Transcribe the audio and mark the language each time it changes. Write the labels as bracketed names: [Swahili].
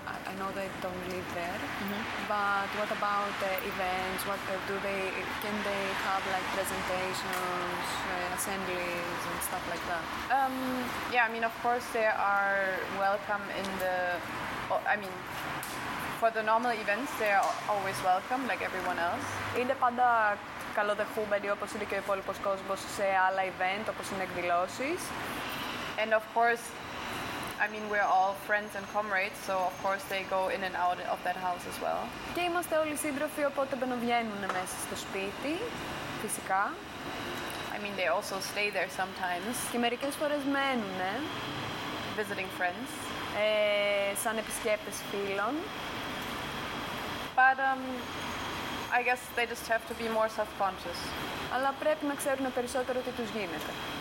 [English] I know they don't live there, but what about the events? Can they have like presentations, assemblies, and stuff like that? Yeah, I mean, of course they are welcome in the. I mean, for the normal events they are always welcome, like everyone else. [Greek] Είναι πάντα καλοδεχούμενοι όπως είναι και ο υπόλοιπος κόσμος σε άλλα event όπως είναι εκδηλώσεις. [English] And of course, I mean, we're all friends and comrades, so of course they go in and out of that house as well. [Greek] Και είμαστε όλοι σύντροφοι, οπότε μπαινοβγαίνουν μέσα στο σπίτι, φυσικά. [English] I mean, they also stay there sometimes. [Greek] Και μερικές φορές μένουν, [English] visiting friends. [Greek] Σαν επισκέπτες φίλων. [English] But I guess they just have to be more self-conscious. [Greek] Αλλά πρέπει να ξέρουν περισσότερο τι τους γίνεται.